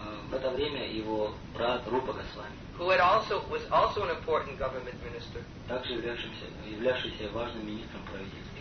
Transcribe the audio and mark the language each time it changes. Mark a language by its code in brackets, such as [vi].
[ru] в это время его брат Рупа Госвами, [en] who had also was also an important government minister, [ru] также являвшийся важным министром правительства,